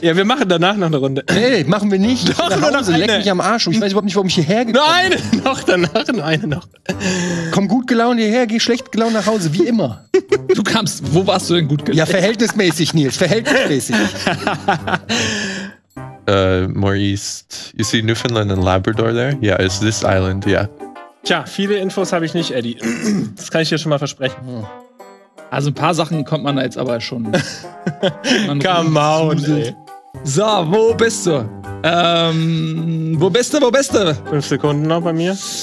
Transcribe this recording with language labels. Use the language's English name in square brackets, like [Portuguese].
[German] Ja, wir machen danach noch eine Runde. Nee, machen wir nicht. Doch, nur noch eine. Leck mich am Arsch. Ich weiß überhaupt nicht, warum ich hierher gekommen bin. Nein, noch danach, nur eine noch. Komm gut gelaunt hierher, geh schlecht gelaunt nach Hause, wie immer. Du kamst, wo warst du denn gut gelaunt? Ja, verhältnismäßig, Nils, verhältnismäßig. [English] more east. You see Newfoundland and Labrador there? Yeah, it's this island, yeah. [German] Tja, viele Infos habe ich nicht, Eddie. Das kann ich dir schon mal versprechen. Also ein paar Sachen kommt man da jetzt aber schon. [English] Come on, ey. [German] So, wo bist du? Wo bist du, wo bist du? 5 Sekunden noch bei mir.